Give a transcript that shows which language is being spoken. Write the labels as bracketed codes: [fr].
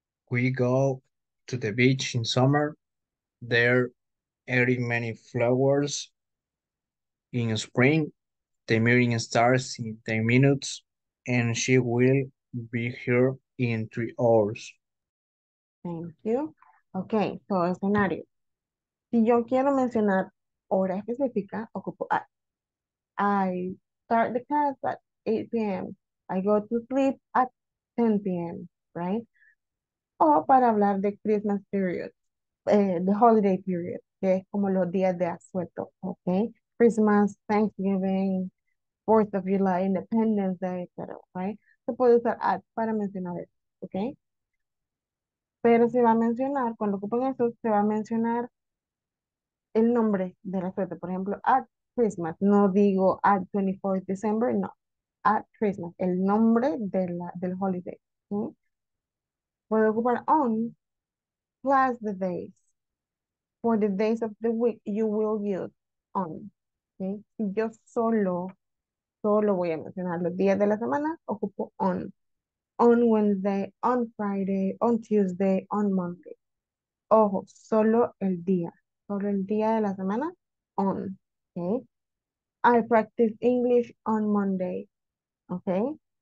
[en] We go to the beach in summer, there adding many flowers in spring. The moon starts in 10 minutes and she will be here in 3 hours. Thank you. Okay, so escenario. [es] Si yo quiero mencionar hora específica, ocupo a. [en] I start the class at 8 p.m. I go to sleep at 10 p.m., right? [es] O para hablar de Christmas period, [en] the holiday period, [es] que es como los días de asueto, okay? [en] Christmas, Thanksgiving, 4th of July, Independence Day, etc., right? [es] Se puede usar at para mencionar eso, okay? Pero se va a mencionar, cuando ocupen eso, se va a mencionar el nombre de la fiesta. Por ejemplo, at Christmas. No digo [en] at 24th December, [es] no. [en] At Christmas, [es] el nombre de la, del holiday. ¿Sí? Puedo ocupar [en] on, plus the days. For the days of the week, you will use on. [es] ¿Sí? Si yo solo voy a mencionar los días de la semana, ocupo on. [en] On Wednesday, on Friday, on Tuesday, on Monday. [es] Ojo, solo el día de la semana, [en] on, okay? I practice English on Monday, okay?